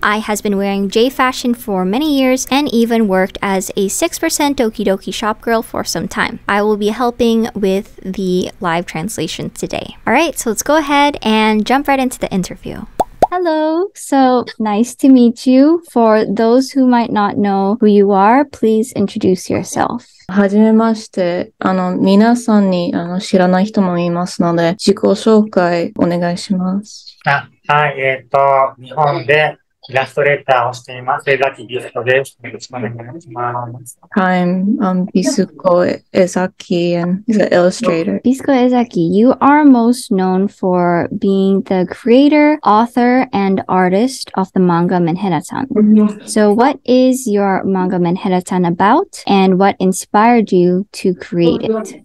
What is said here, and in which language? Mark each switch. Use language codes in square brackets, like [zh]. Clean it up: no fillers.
[en] I has been wearing J-fashion for many years and even worked as a 6% Okidoki shop girl for some time. I will be helping with the live translation today. All right, so let's go ahead and jump right into the interview. Hello. So nice to meet you. For those who might not know who you are, please introduce yourself. [ja] はじめまして。あの、皆さんに、あの、知らない人もいますので、自己紹介お願いします。あ、はい、日本でイラストレーターをしています。 Ezaki Bisuko です。よろしくお願いします。 [en] Hi, I'm Bisuko Ezaki, and he's an illustrator. Bisuko Ezaki, you are most known for being the creator, author, and artist of the manga Menhera-chan. So what is your manga Menhera-chan about, and what inspired you to create it?